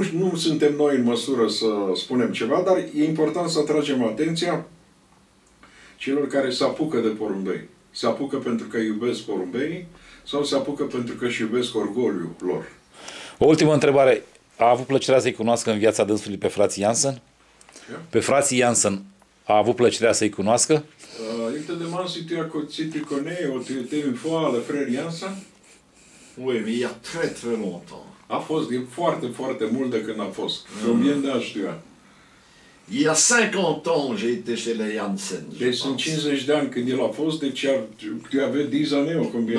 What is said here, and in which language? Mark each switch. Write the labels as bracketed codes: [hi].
[ro] Nu suntem noi în măsură să spunem ceva, dar e important să atragem atenția celor care se apucă de porumbei. Se apucă pentru că iubesc porumbeii sau se apucă pentru că își iubesc orgoliul lor. O ultimă întrebare. A avut plăcerea să-i cunoască în viața dânsului pe frații Jansen? Pe frații Jansen a avut plăcerea să-i cunoască? [fr] Eu te demand si tu connais ou tu étais une fois le frère Jansen? Oui, mais il y a très très longtemps. [ro] A fost din foarte, foarte mult de când a fost. [fr] Combien d'âge tu as? Il y a 50 ans, j'ai été chez les Jansen. [ro] Deci sunt 50 de ani când el a fost, deci [fr] tu avais [ro] 10 ani [fr] ou combien?